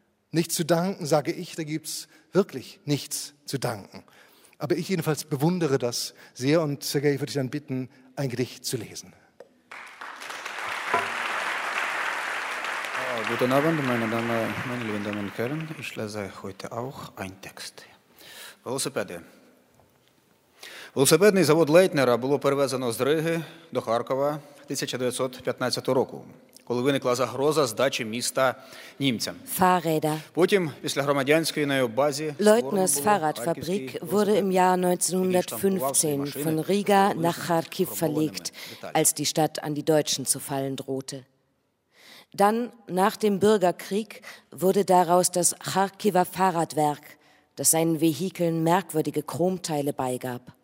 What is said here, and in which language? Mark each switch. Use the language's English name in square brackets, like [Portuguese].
[German] Nichts zu danken, sage ich, da gibt's wirklich nichts zu danken. Aber ich jedenfalls bewundere das sehr und Sergej, ich würde dich dann bitten, ein Gedicht zu lesen. Guten Abend, meine Damen, meine lieben Damen und Herren. Ich lese heute auch einen Text. Велосипеди. [Ukrainian] Велосипедний завод Лейтнера було перевезено з Риги до Харкова 1915 року. коли виникла загроза здачі міста німцям. [German] Fahrräder. [Ukrainian] Потім після громадянської на базі [German] Leutners Fahrradfabrik wurde im Jahr 1915 von Riga nach Kharkiv verlegt, als die Stadt an die Deutschen zu fallen drohte. Dann nach dem Bürgerkrieg wurde daraus das Kharkiver Fahrradwerk, das seinen Vehikeln merkwürdige Chromteile beigab.